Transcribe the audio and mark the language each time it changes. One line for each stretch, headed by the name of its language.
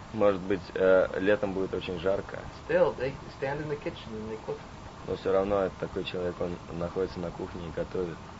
Russian: может быть, летом будет очень жарко,
English: still, they stand in the kitchen and they cook.
Russian: Но все равно такой человек, он находится на кухне и готовит.